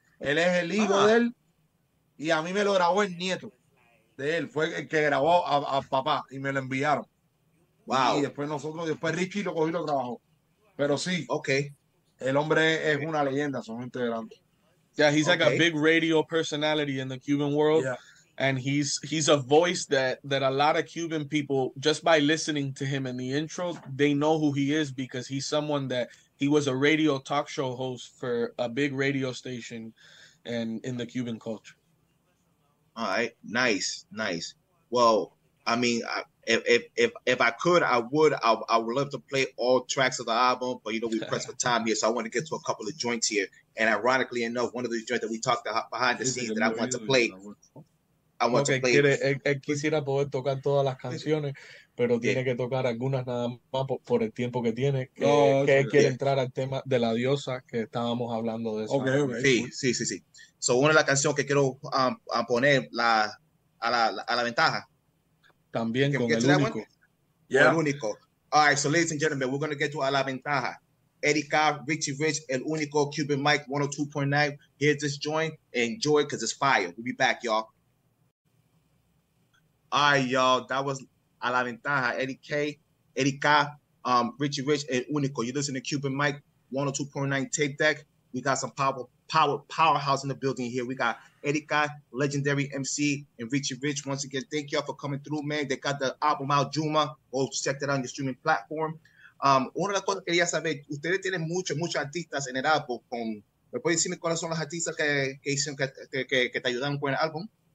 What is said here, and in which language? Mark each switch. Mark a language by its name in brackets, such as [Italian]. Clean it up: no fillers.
[Spanish] Él es el hijo de él, y a mí me lo grabó el nieto de él. Fue el que grabó a papá y me lo enviaron. [English] Wow. [Spanish] Y después Richy lo cogió y lo trabajó. Pero sí. [English] Ok. [Spanish] El hombre es una leyenda, son gente grande. [English] Yeah, he's like a big radio personality in the Cuban world. Yeah. And he's a voice that a lot of Cuban people, just by listening to him in the intro, they know who he is, because he's someone that he was a radio talk show host for a big radio station and in the Cuban culture. All right. Nice. Well, I mean, if I would love to play all tracks of the album, but you know, we pressed for time here, so I want to get to a couple of joints here. And ironically enough, one of the joints that we talked about behind the scenes that I want to play. [Spanish] Él quisiera poder tocar todas las canciones, pero tiene que tocar algunas nada más por el tiempo que tiene. Que él quiere entrar al tema de la diosa, que estábamos hablando de eso. Sí. So, una de las canciones que quiero poner a la ventaja. También con el único. [English] Yeah. El único. All right, so ladies and gentlemen, we're going to get to A La Ventaja. Eddie Carr, Richy Rich, El Único, Cuban Mike, 102.9. Here, just join. Enjoy, because it's fire. We'll be back, y'all. All right, y'all. That was A La Ventaja. Eddie K, Richy Rich, El Único. You listen to Cuban Mike, 102.9 tape deck. We got some powerhouse in the building here. We got Eddie K, legendary MC, and Richy Rich. Once again, thank y'all for coming through, man. They got the album out, Yuma. Go check that out on your streaming platform. [Spanish] Una de las cosas que quería saber, ustedes tienen muchos artistas en el álbum. ¿Me puede decirme cuáles son los artistas que te ayudaron con el álbum?